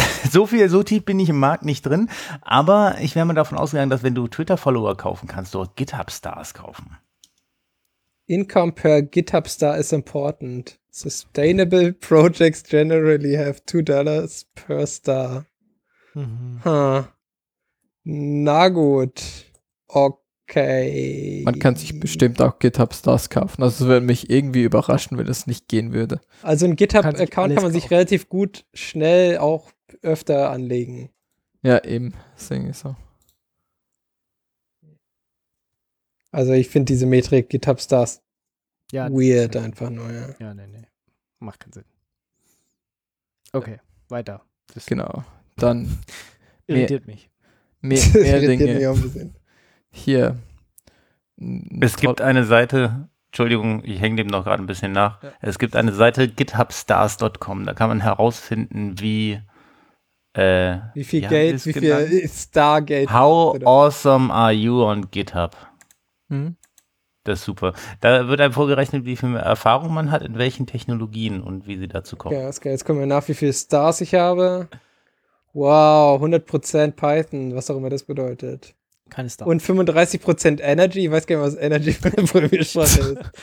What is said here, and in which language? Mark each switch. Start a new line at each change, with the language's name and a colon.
German: So tief bin ich im Markt nicht drin, aber ich wäre mal davon ausgegangen, dass wenn du Twitter-Follower kaufen kannst, du auch GitHub-Stars kaufen.
English: Income per GitHub-Star is important. Sustainable projects generally have $2 per star.
German: Na gut. Okay. Man kann sich bestimmt auch GitHub Stars kaufen. Also es würde mich irgendwie überraschen, wenn das nicht gehen würde. Also ein GitHub-Account kann man sich relativ gut schnell auch öfter anlegen. Ja, eben. Deswegen ist so. Also ich finde diese Metrik GitHub Stars ja, weird einfach nur. Ja. Ja, nee, nee. Macht keinen Sinn. Okay, ja. Weiter. Das genau. Dann irritiert mich. Mehr Dinge. Hier. Es gibt eine Seite, Entschuldigung, ich hänge dem noch gerade ein bisschen nach. Ja. Es gibt eine Seite githubstars.com, da kann man herausfinden, wie viel Geld, wie viel Stargeld.
English: How awesome are you on GitHub?
German: Mhm. Das ist super. Da wird einem vorgerechnet, wie viel Erfahrung man hat, in welchen Technologien und wie sie dazu kommen. Ja, okay, ist geil. Jetzt kommen wir nach, wie viele Stars ich habe. Wow, 100% Python, was auch immer das bedeutet. Keine Star. Und 35% Energy. Ich weiß gar nicht, was Energy von der Programmiersprache ist.